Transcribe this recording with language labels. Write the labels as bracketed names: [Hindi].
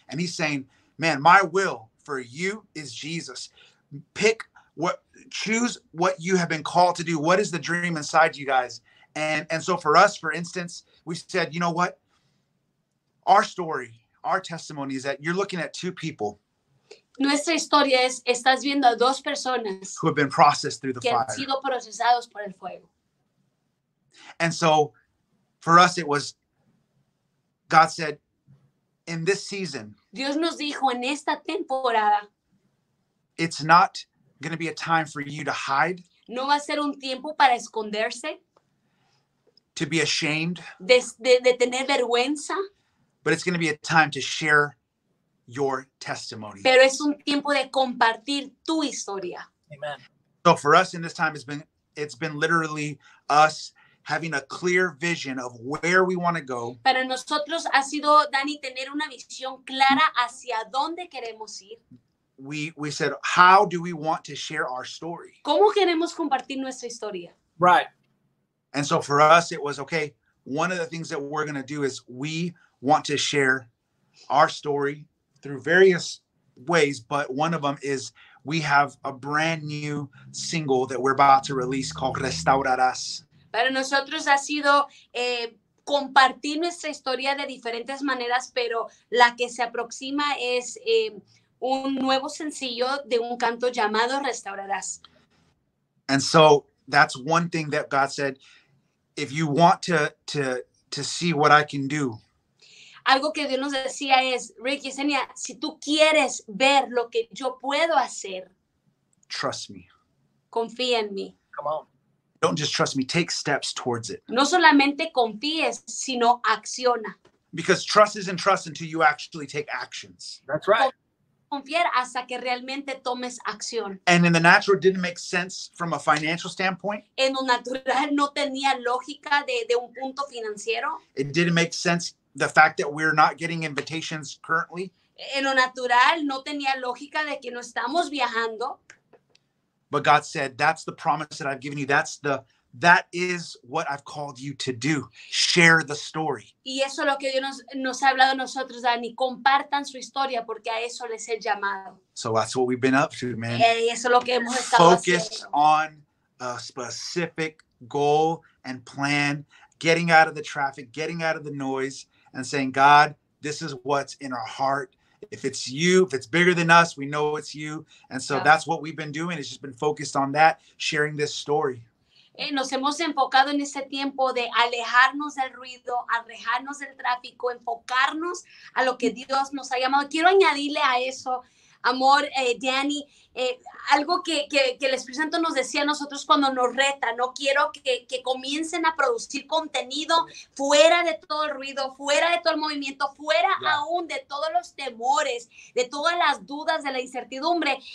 [English] And he's saying, man, my will for you is Jesus. Choose what you have been called to do. What is the dream inside you guys? And so for us, for instance, we said, you know what? Our story, our testimony is that you're looking at two people. [Spanish] Nuestra historia es, estás viendo a dos personas [English] who have been processed through the [Spanish] que [English] fire. [Spanish] Han sido procesados por el fuego. [English] And so for us, it was, God said, in this season. [Spanish] Dios nos dijo en esta temporada. [English] It's not going to be a time for you to hide. [Spanish] No va a ser un tiempo para esconderse. [English] To be ashamed. [Spanish] De tener vergüenza. [English] But it's going to be a time to share your testimony. [Spanish] Pero es un tiempo de compartir tu historia. [English] Amen. So for us in this time, it's been literally us having a clear vision of where we want to go. [Spanish] Para nosotros ha sido, Dani, tener una visión clara hacia dónde queremos ir. [English] We said, how do we want to share our story? [Spanish] ¿Cómo queremos compartir nuestra historia? [English] Right. And so for us, it was, okay, one of the things that we're going to do is we want to share our story through various ways, but one of them is we have a brand new single that we're about to release called Restaurarás. [Spanish] Para nosotros ha sido compartir nuestra historia de diferentes maneras, pero la que se aproxima es un nuevo sencillo de un canto llamado Restaurarás. [English] And so that's one thing that God said, if you want to see what I can do. [Spanish] Algo que Dios nos decía es, Rick y Yesenia, si tú quieres ver lo que yo puedo hacer. [English] Trust me. [Spanish] Confía en mí. [English] Come on. Don't just trust me, take steps towards it. [Spanish] No solamente confíes, sino acciona. [English] Because trust isn't trust until you actually take actions. That's right. [Spanish] Confiar hasta que realmente tomes acción. [English] And in the natural, it didn't make sense from a financial standpoint. [Spanish] En lo natural, no tenía lógica de un punto financiero. [English] It didn't make sense, the fact that we're not getting invitations currently. [Spanish] En lo natural, no tenía lógica de que no estamos viajando. [English] But God said, that's the promise that I've given you. That is what I've called you to do. Share the story. [Spanish] Y eso es lo que Dios nos ha hablado a nosotros, Dani. Compartan su historia porque a eso les he llamado. [English] So that's what we've been up to, man. [Spanish] Y eso es lo que hemos estado [English] focused [Spanish] haciendo. [English] Focus on a specific goal and plan. Getting out of the traffic, getting out of the noise, and saying, God, this is what's in our heart. If it's you, if it's bigger than us, we know it's you. And so yeah, that's what we've been doing. It's just been focused on that, sharing this story. [Spanish] Nos hemos enfocado en este tiempo de alejarnos del ruido, alejarnos del tráfico, enfocarnos a lo que Dios nos ha llamado. Quiero añadirle a eso, amor, Dani, algo que el Espíritu Santo nos decía a nosotros cuando nos reta, no quiero que comiencen a producir contenido fuera de todo el ruido, fuera de todo el movimiento, fuera aún de todos los temores, de todas las dudas, de la incertidumbre.